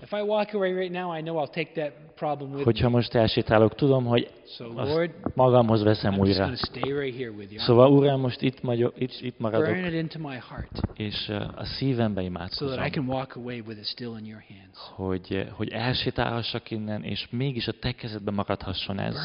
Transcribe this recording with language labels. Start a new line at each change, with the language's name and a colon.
English: If I walk away right now, I know I'll take that problem with.
Hungarian: Hogyha most elsétálok, tudom, hogy
English: so, Lord,
Hungarian: magamhoz veszem
English: I'm
Hungarian: újra.
English: Stay right here with you.
Hungarian: Szóval, Uram, most itt magyok, itt maradok.
English: Burn it into my heart.
Hungarian: És a szívembe imádkozom.
English: So that I can walk away with it still in your hands.
Hungarian: Hogy elsétálhassak innen, és mégis a te kezedben maradhasson ez.